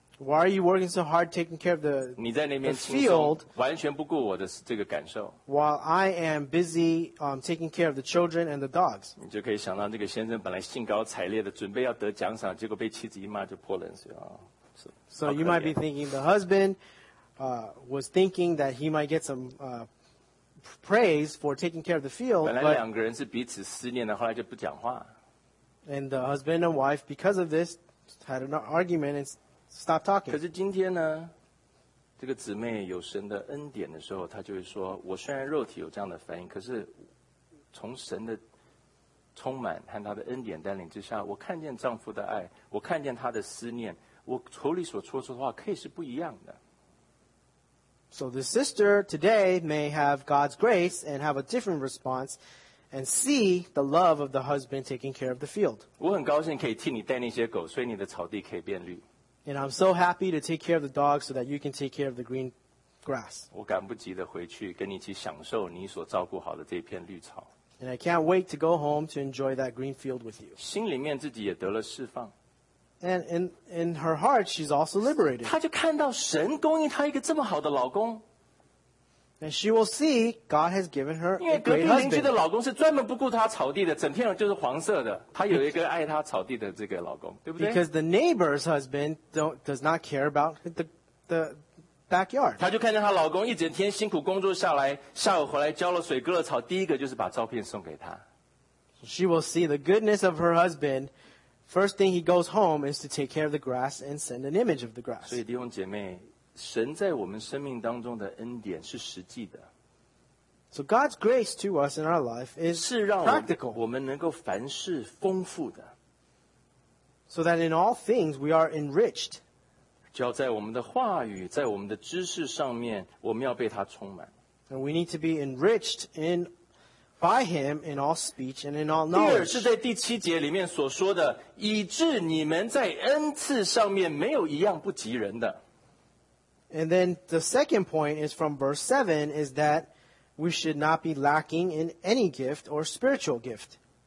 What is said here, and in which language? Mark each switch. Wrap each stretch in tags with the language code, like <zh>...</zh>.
<en>Why are you working so hard taking care of the field?</en> <zh>你在那边轻松，完全不顾我的这个感受。</zh> <en>While I am busy taking care of the children and the dogs.</en> <zh>你就可以想到这个先生本来兴高采烈的准备要得奖赏，结果被妻子一骂就泼冷水啊。</zh> <en>So you might be thinking the husband was thinking that he might get some praise for taking care of the field.</en> <zh>本来两个人是彼此思念的，后来就不讲话。</zh> <en>And the husband and wife, because of this, had an argument and stop talking.</en> <zh>可是今天呢，这个姊妹有神的恩典的时候，她就会说，我虽然肉体有这样的反应，可是从神的充满和她的恩典带领之下，我看见丈夫的爱，我看见他的思念，我口里所说出的话可以是不一样的。</zh> <en>So the sister today may have God's grace and have a different response and see the love of the husband taking care of the field.</en> <zh>我很高兴可以替你带那些狗，所以你的草地可以变绿。</zh> <en>And I'm so happy to take care of the dog so that you can take care of the green grass.</en> <zh>我赶不及的回去跟你一起享受你所照顾好的这片绿草。</zh> <en>And I can't wait to go home to enjoy that green field with you.</en> <zh>心里面自己也得了释放。</zh> <en>And in her heart, she's also liberated.</en> <zh>她就看到神供应她一个这么好的老公。</zh> <en>And she will see God has given her a great husband.</en> <zh>因为隔壁邻居的老公是专门不顾她草地的，整天就是黄色的。她有一个爱她草地的这个老公，对不对？</zh> <en>Because the neighbor's husband does not care about the backyard.</en> <zh>她就看见她老公一整天辛苦工作下来，下午回来浇了水、割了草，第一个就是把照片送给她。</zh> <en>She will see the goodness of her husband. First thing he goes home is to take care of the grass and send an image of the grass.</en> <zh>所以弟兄姐妹。神在我们生命当中的恩典是实际的。</zh> <en>So God's grace to us in our life is practical.</en> <zh>我们能够凡事丰富的。</zh> <en>So that in all things we are enriched.</en> <zh>就要在我们的话语，在我们的知识上面， 我们要被他充满。</zh> <en>And we need to be enriched in by Him in all speech and in all knowledge.</en> <zh>第二是在第七节里面所说的， 以致你们在恩赐上面没有一样不及人的。</zh> <en>And then the second point is from verse 7 is that we should not be lacking in any gift or spiritual gift.</en>